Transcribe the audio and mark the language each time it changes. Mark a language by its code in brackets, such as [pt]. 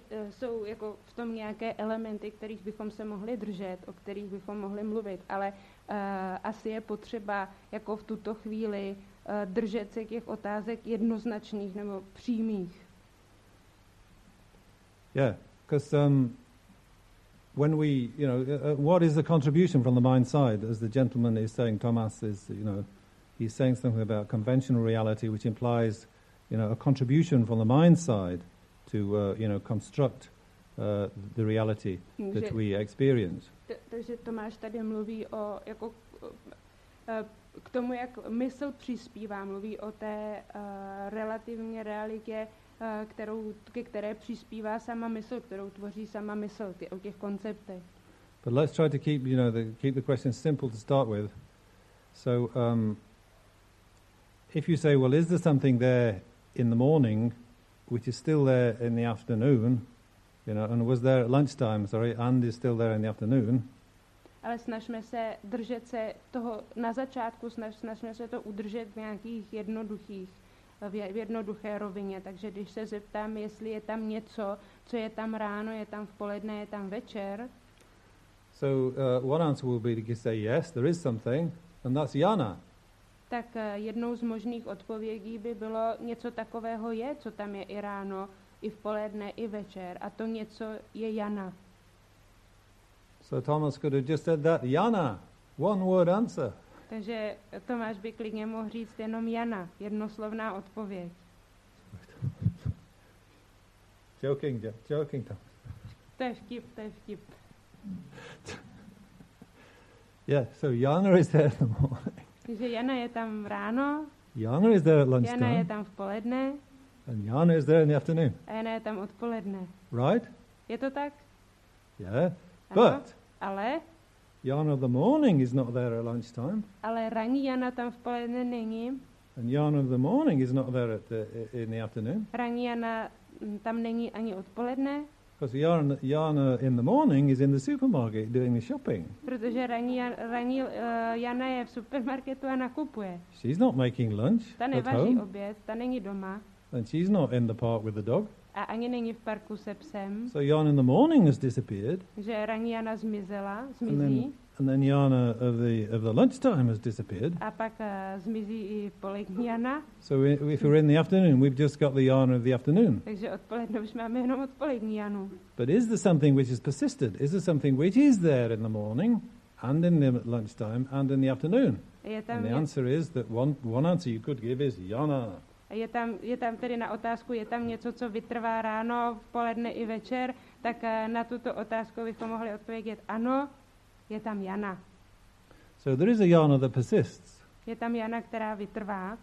[cs] Jsou jako v tom nějaké elementy, kterých bychom se mohli držet, o kterých bychom mohli mluvit, ale asi je potřeba jako v tuto chvíli držet se těch otázek jednoznačných nebo přímých. [en] Yeah, because when we, you know, what is the contribution from the mind side, as the gentleman is saying, Thomas is, you know, he's saying something about conventional reality, which implies, you know, a contribution from the mind side to, you know, construct the reality that we experience. [cs] Takže Tomáš tady mluví o jako k tomu, jak mysl přispívá, mluví o té relativní realitě, kterou ke které přispívá sama mysl, kterou tvoří sama mysl, o těch konceptech. [en] But let's try to keep, you know, keep the question simple to start with. So if you say, well, is there something there in the morning which is still there in the afternoon, you know, and was there at lunchtime, sorry, and is still there in the afternoon. [cs] Ale snažme se držet se toho na začátku, snažme se to udržet v nějakých jednoduchých, v jednoduché rovině. Takže když se zeptám, jestli je tam něco, co je tam ráno, je tam v poledne, je tam večer. [en] So one answer will be to say yes, there is something, and that's Jana. [cs] Tak jednou z možných odpovědí by bylo něco takového je, co tam je i ráno, i v poledne, i večer. A to něco je Jana. [en] So Thomas could have just said that, Jana, one word answer. [cs] Takže Tomáš by klidně mohl říct jenom Jana, jednoslovná odpověď. [en] Joking, Thomas. [cs] To je vtip. [en] Yeah, so Jana is there in the morning. [cs] Takže Jana je tam ráno. [en] Jana is there at lunchtime. [cs] Jana je tam v poledne. [en] And Jana is there in the afternoon. [cs] A Jana je tam odpoledne. [en] Right? [cs] Je to tak? [en] Yeah. [cs] Ano. [en] But. [cs] Ale. [en] Jana of the morning is not there at lunchtime. [cs] Ale ranní Jana tam v poledne není. [en] And Jana of the morning is not there at the, in the afternoon. [cs] Ranní Jana tam není ani odpoledne. [en] Because Jana in the morning is in the supermarket doing the shopping. [cs] Protože ranní Jana je v supermarketu a nakupuje. [en] She's not making lunch. [cs] Ta nevaří oběd, ta není doma. [en] And she's not in the park with the dog. [cs] A ani není v parku se psem. [en] So Jana in the morning has disappeared. [cs] Že ranní Jana zmizela, zmizí. [en] And then Jana of the lunchtime has disappeared. [cs] A pak zmizí i polední Jana. [en] So if we're in the afternoon, we've just got the Jana of the afternoon. [cs] Takže odpoledne už máme jenom odpolední Janu. [en] But is there something which has persisted? Is there something which is there in the morning and in the lunchtime and in the afternoon? And the answer is that one answer you could give is Jana. [cs] Je tam tedy na otázku, je tam něco, co vytrvá ráno, v poledne i večer, tak na tuto otázku bychom mohli odpovědět ano. Je tam Jana. [en] So there is a Jana that persists. [cs] Je tam Jana, která vytrvá.